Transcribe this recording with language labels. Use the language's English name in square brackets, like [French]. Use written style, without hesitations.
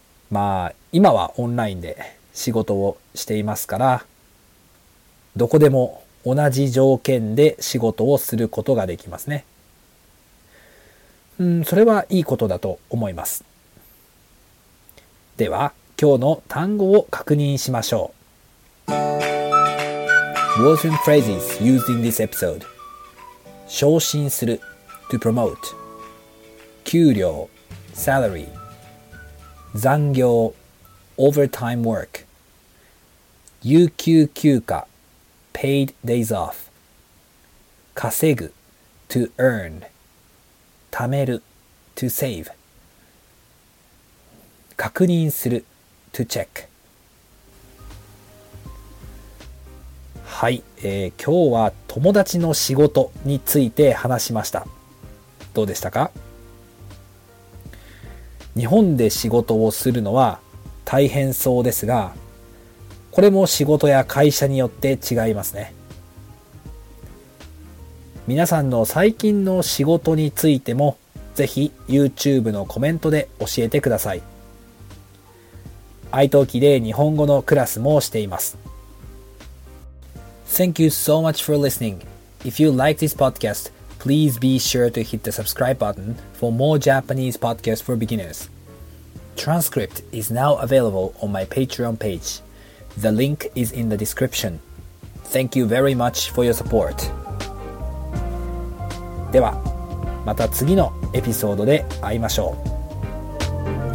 [Japanese] まあ今はオンラインで仕事をしていますから、どこでも同じ条件で仕事をすることができますね。それはいいことだと思います。では、今日の単語を確認しましょう。 [English] Words and phrases used in this episode. 昇進する to promote. 給料 salary. 残業 overtime work. 有給休暇Paid days off. 稼ぐ to earn. 貯める to save. 確認する to check. [Japanese] はい、今日は友達の仕事について話しました。どうでしたか？日本で仕事をするのは大変そうですが、これも仕事や会社によって違いますね。皆さんの最近の仕事についてもぜひ YouTube のコメントで教えてください。 iTalkiで日本語のクラスもしています。 [English] Thank you so much for listening. If you like this podcast, please be sure to hit the subscribe button for more Japanese podcasts for beginners. Transcript is now available on my Patreon page. The link is in the description. Thank you very much for your support. [Japanese] では、また次のエピソードで会いましょう。